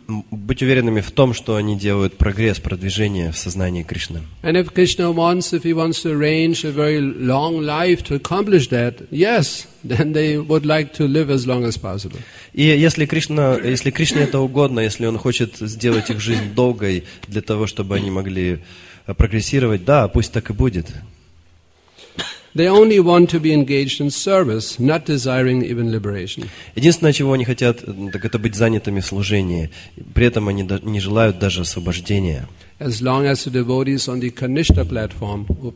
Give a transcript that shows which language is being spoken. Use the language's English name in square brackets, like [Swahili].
[Russian] Быть уверенными в том, что они делают прогресс, продвижение в сознании Кришны. [English] And if Krishna wants, if he wants to arrange a very long life to accomplish that, yes, then they would like to live as long as possible. [Russian] И если Кришне это угодно, если он хочет сделать их жизнь долгой для того, чтобы они могли прогрессировать, да, пусть так и будет. [English] They only want to be engaged in service, not desiring even liberation. [Russian] Единственное, чего они хотят, так это быть занятыми в служении. При этом они не желают даже освобождения. [English] As long as the devotee is on the Kanishtha platform,